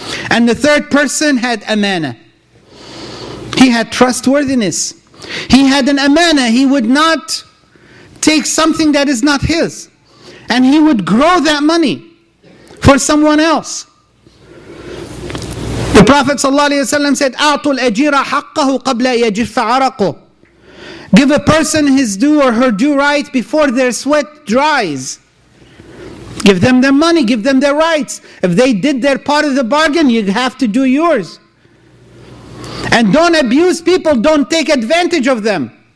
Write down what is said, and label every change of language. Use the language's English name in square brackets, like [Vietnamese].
[English] And the third person had amana. He had trustworthiness. He had an amana. He would not take something that is not his. And he would grow that money for someone else. The Prophet ﷺ said, [Arabic] أعطوا الأجير حقه قبل يجف عرقه. [English] Give a person his due or her due right before their sweat dries. Give them their money, give them their rights. If they did their part of the bargain, you have to do yours. And don't abuse people, don't take advantage of them.